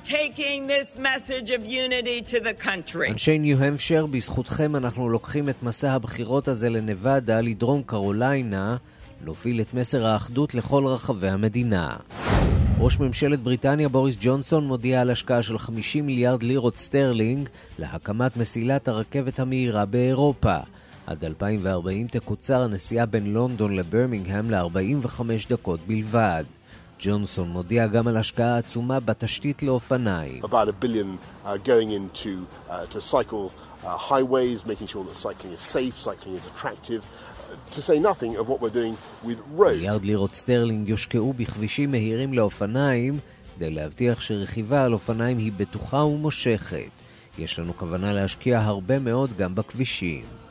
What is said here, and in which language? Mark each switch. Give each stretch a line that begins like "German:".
English: taking this message of unity to the country.
Hebrew: אנשי ניו המפשר, בזכותכם אנחנו לוקחים את מסע הבחירות הזה לנבדה, לדרום קרוליינה, להוביל את מסר האחדות לכל רחבי המדינה. ראש ממשלת בריטניה בוריס ג'ונסון מודיע על השקעה של 50 מיליארד לירות סטרלינג להקמת מסילת הרכבת המהירה באירופה. עד 2040 תקוצר הנסיעה בין לונדון לברמינגהם ל-45 דקות בלבד. ג'ונסון מודיע גם על השקעה עצומה בתשתית לאופניים.
English: About a billion going into to cycle highways, making sure that cycling is safe, cycling is attractive, to say nothing of what we're doing with roads.
Hebrew: מיליארד לירות סטרלינג יושקעו בכבישים מהירים לאופניים, כדי להבטיח שרכיבה על אופניים היא בטוחה ומושכת. יש לנו כוונה להשקיע הרבה מאוד גם בכבישים.